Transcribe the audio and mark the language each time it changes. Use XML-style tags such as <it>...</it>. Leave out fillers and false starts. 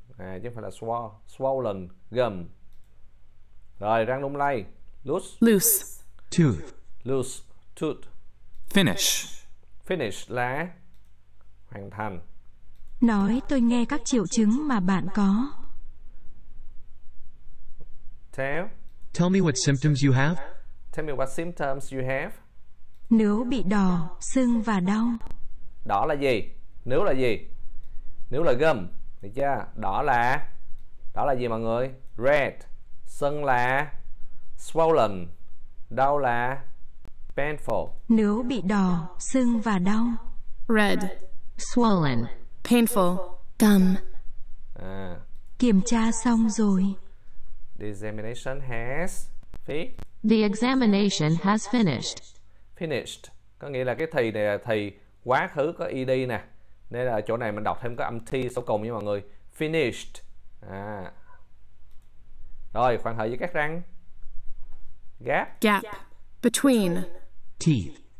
<vi>À, chứ phải là</vi> <en>swollen gum.</en> <vi>Rồi, răng lung lay. Loose.</vi> <en>Loose. Tooth. Loose. Tooth. Finish.</en> <vi>Finish là hoàn thành. Nói tôi nghe các triệu chứng mà bạn có.</vi> <en>Tell me what symptoms you have. Tell me what symptoms you have.</en> <vi>Nếu bị đỏ, sưng và đau. Đỏ là gì? Nếu là gì? Nếu là gum, được chưa? Đỏ là gì mọi người? Red. Sưng là swollen. Đau là painful. Nếu bị đỏ, sưng và đau.</vi> <en>Red. Swollen. Painful. Gum. À.</en> <vi>Kiểm tra xong rồi.</vi> <en>The examination has finished. The examination has finished. Finished.</en> <vi>Có nghĩa là cái thì này là thì quá khứ có ed nè. Nên là chỗ này mình đọc thêm có âm t số cùng nha mọi người. Finished. À. Rồi, khoảng hở giữa các răng.</vi> <en>Gap. Gap. Between. Teeth.</en>